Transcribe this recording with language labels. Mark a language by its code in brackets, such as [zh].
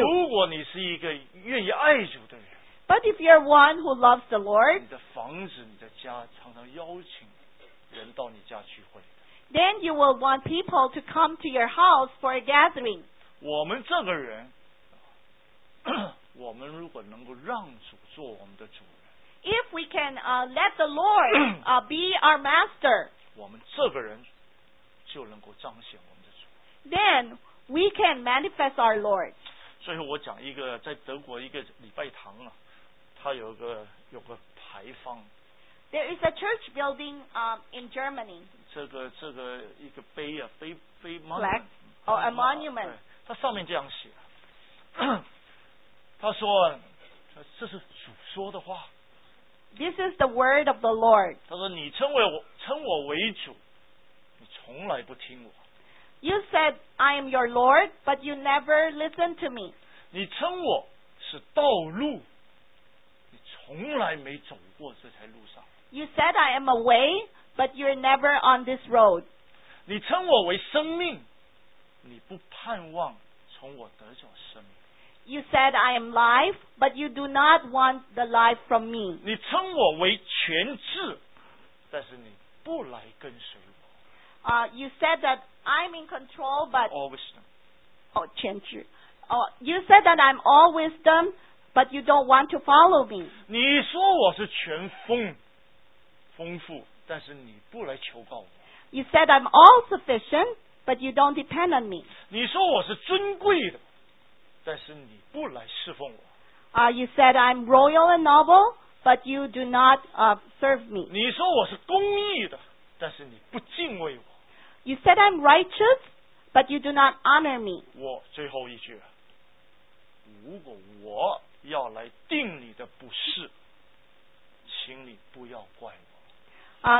[zh] 如果你是一个愿意爱主的人 [en] But if you're one who loves the Lord, [zh] 你的房子、你的家常常邀请人到你家聚会。 [en] Then you will want people to come to your house for a gathering. [zh] 我们这个人，我们如果能够让主做我们的主人 [en] ，If we can let the Lord be our master, [zh] 我们这个人就能够彰显我们的主。 [en] Then We can manifest our Lord. [zh] 最后我讲一个在德国一个礼拜堂啊，它有个牌坊。 [en] There is a church building in Germany. [zh] 这个一个碑啊，碑 [en] monument. Oh, a monument. [zh] 它上面这样写，他说这是主说的话， [en] This is the word of the Lord. [zh] 他说你称我为主，你从来不听我。 [en] You said I am your Lord, but you never listen to me. [zh] 你称我是道路，你从来没走过这条路上。 [en] You said I am a way, but you're never on this road. [zh] 你称我为生命，你不盼望从我得着生命。 [en] You said I am life, but you do not want the life from me. [zh] 你称我为全智，但是你不来跟随我。 [en] You said that I'm in control, but all wisdom. [zh] Oh, 全智。 [en] You said that I'm all wisdom, but you don't want to follow me. [zh] 你说我是全丰，丰富，但是你不来求告我。 [en] You said I'm all sufficient, but you don't depend on me. [zh] 你说我是尊贵的，但是你不来侍奉我。 [en] You said I'm royal and noble, but you do not serve me. [zh] 你说我是公义的，但是你不敬畏我。 [en] You said I'm righteous, but you do not honor me. [zh] 我最后一句，如果我要来定你的不是，请你不要怪我。